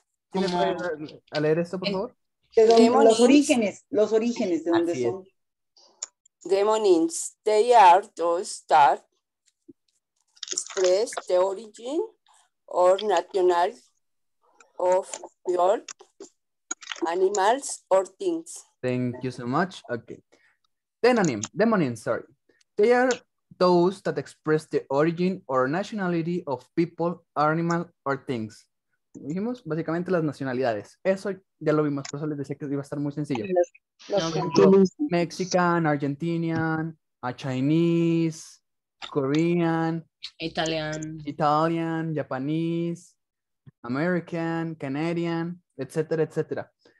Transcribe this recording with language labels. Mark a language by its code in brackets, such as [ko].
[es] ¿Quién me puede ayudar a leer esto, por favor? Los orígenes, de dónde son. Es. Denonyms. [en] They are those that express the origin or national of your animals or things. Thank you so much. Okay. Denonyms. They are those that express the origin or nationality of people, animal, or things. [es] Dijimos básicamente las nacionalidades. Eso ya lo vimos, por eso les decía que iba a estar muy sencillo. [en] Mexican, Argentinian, a Chinese, Korean, Italian, Japanese, American, Canadian, [es] etcétera, etcétera.